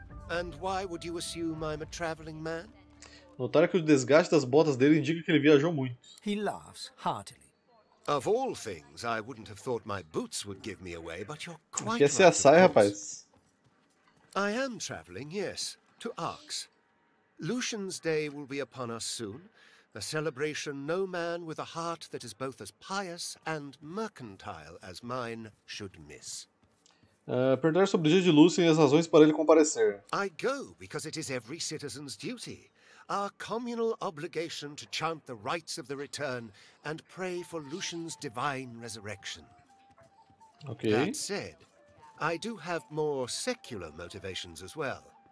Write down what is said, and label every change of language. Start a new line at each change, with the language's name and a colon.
English: And why would you assume I'm a traveling man?
Portuguese: Notar que o desgaste das botas dele indica que ele viajou muito.
English: He laughs heartily. Of all things, I wouldn't have thought my boots would give me away, but you're quite
Portuguese: right. Esquece a saia, rapaz.
English: I am traveling, yes, to Arx. Lucian's day will be upon us soon, a celebration no man with a heart that is both as pious and mercantile as mine should miss.
Portuguese: Perguntar sobre o dia de Lucian e as razões para ele comparecer.
English: I go because it is every citizen's duty. Our communal obligation to chant the rites of the return and pray for Lucian's divine resurrection. Okay. That said, I do have more secular motivations as well.